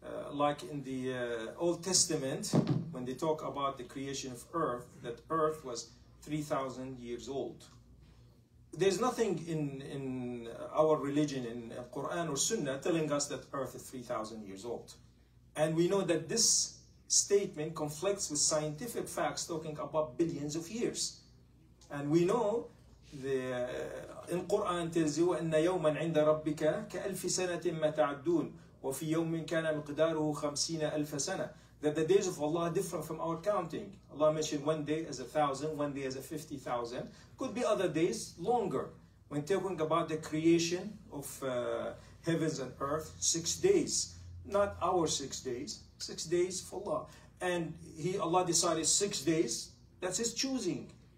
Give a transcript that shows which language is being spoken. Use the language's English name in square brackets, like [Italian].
[English] Like in the Old Testament, when they talk about the creation of Earth, that Earth was 3,000 years old. There's nothing in our religion, in Quran or Sunnah, telling us that Earth is 3,000 years old. And we know that this statement conflicts with scientific facts talking about billions of years. And we know in Quran tells you, [Arabic] وَإِنَّ يَوْمًا عِنْدَ رَبِّكَ كَأَلْفِ سَنَةٍ مَّا تَعَدُّونَ وَفِي يَوْمٍ كَانَ مِقْدَارُهُ خَمْسِينَ أَلْفَ سَنَةٍ. [English] That the days of Allah are different from our counting. Allah mentioned one day as 1,000, one day as 50,000. Could be other days longer. When talking about the creation of heavens and earth, 6 days. Not our 6 days, 6 days for Allah. And Allah decided 6 days, that's His choosing.